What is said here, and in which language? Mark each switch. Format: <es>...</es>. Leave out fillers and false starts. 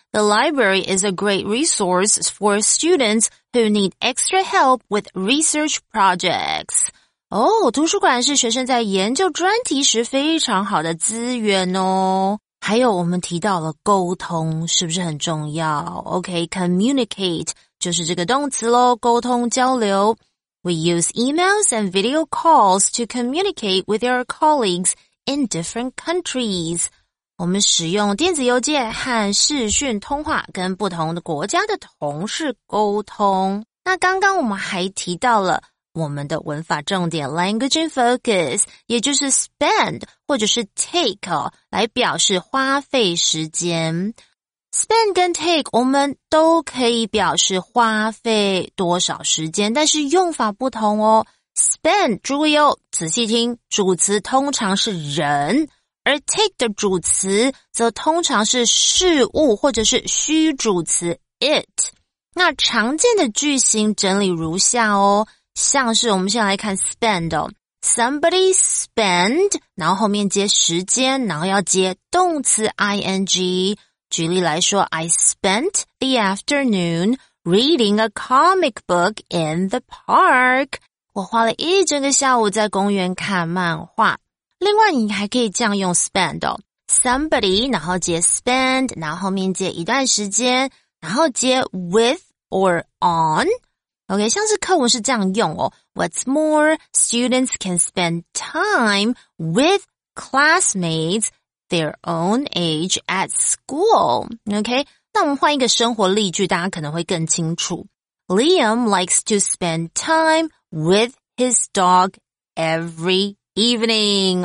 <en>The library is a great resource for students who need extra help with research projects.</en> <zh>哦，图书馆是学生在研究专题时非常好的资源哦。还有我们提到了沟通，是不是很重要？ OK, communicate, 就是这个动词咯，沟通交流。</zh> <en>We use emails and video calls to communicate with our colleagues in different countries.</en> <zh>我们使用电子邮件和视讯通话跟不同的国家的同事沟通。那刚刚我们还提到了我们的文法重点</zh> <en>language and focus,</en> <zh>也就是 spend 或者是 take 来表示花费时间。 Spend 跟 take 我们都可以表示花费多少时间，但是用法不同哦。 Spend 注意哦，仔细听，主词通常是人，而 take 的主词则通常是事物或者是虚主词 it。那常见的句型整理如下哦，像是我们先来看 spend 哦，</zh> <en>somebody spend</en> <zh>然后后面接时间，然后要接动词 ing。举例来说</zh> <en>I spent the afternoon reading a comic book in the park.</en> <zh>我花了一整个下午在公园看漫画。另外你还可以这样用 spend 哦， somebody 然后接 spend 然后后面接一段时间然后接 with or on。</zh> <en>OK,</en> <zh>像是课文是这样用哦，</zh> <en>What's more, students can spend time with classmates their own age at school.</en> <zh>OK, 那我们换一个生活例句，大家可能会更清楚。</zh> <en>Liam likes to spend time with his dog every evening.</en>